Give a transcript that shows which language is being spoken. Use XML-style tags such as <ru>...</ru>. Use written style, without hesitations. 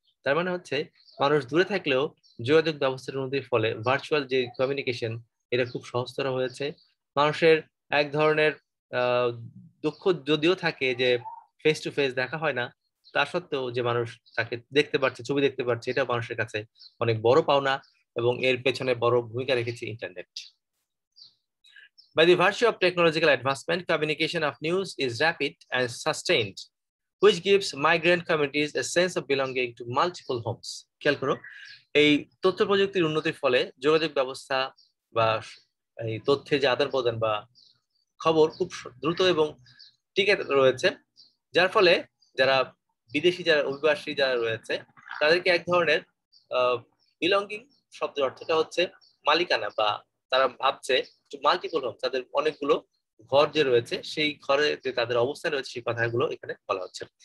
<bn>তার মানে হচ্ছে মানুষ দূরে থাকলেও যোগাযোগ ব্যবস্থার উন্নতির ফলে ভার্চুয়াল যে কমিউনিকেশন এটা খুব সহজতর হয়েছে। মানুষের এক ধরনের দুঃখ যদিও থাকে যে ফেস টু ফেস দেখা হয় না, তা সত্ত্বেও যে মানুষ তাকে দেখতে পাচ্ছে, ছবি দেখতে পাচ্ছে, এটা মানুষের কাছে অনেক বড় পাওনা, এবং এর পেছনে বড় ভূমিকা রেখেছে internet.</bn> <en>By the virtue of technological advancement, communication of news is rapid and sustained, which gives migrant communities a sense of belonging to multiple homes.</en> <bn>খেয়াল করো, এই তথ্য প্রযুক্তির উন্নতির ফলে যোগাযোগ ব্যবস্থা বা এই তথ্যের যে আদান প্রদান বা খবর খুব দ্রুত এবং টিকে রয়েছে, যার ফলে যারা বিদেশি যারা অভিবাসী যারা রয়েছে তাদেরকে এক ধরনের বিলঙ্গিং শব্দের অর্থটা হচ্ছে মালিকানা, বা তারা ভাবছে মাল্টিপল হোম, তাদের অনেকগুলো ঘর যে রয়েছে সেই ঘরে যে তাদের অবস্থান রয়েছে সেই কথাগুলো এখানে বলা হচ্ছে।</bn>